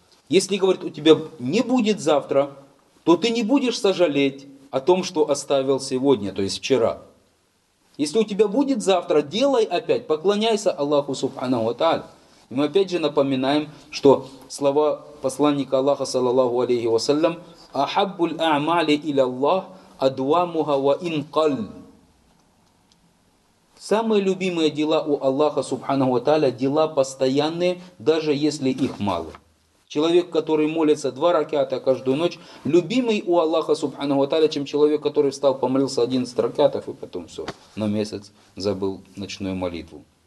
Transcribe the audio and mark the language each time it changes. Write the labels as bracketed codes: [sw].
[ru] Если, говорит, у тебя не будет завтра, то ты не будешь сожалеть о том, что оставил сегодня, то есть вчера. Если у тебя будет завтра, делай опять, поклоняйся Аллаху Субхану ва тааля. Мы опять же напоминаем, что слова посланника Аллаха, саллаллаху алейхи ва саллям, [ar] أحب الأعمال إلى الله أدوامها وإن قل. [ru] Самые любимые дела у Аллаха, субханаху ва тааля, дела постоянные, даже если их мало. Человек, который молится 2 ракиата каждую ночь, любимый у Аллаха, субханаху ва тааля, чем человек, который встал, помолился 11 ракиатов и потом все, на месяц забыл ночную молитву.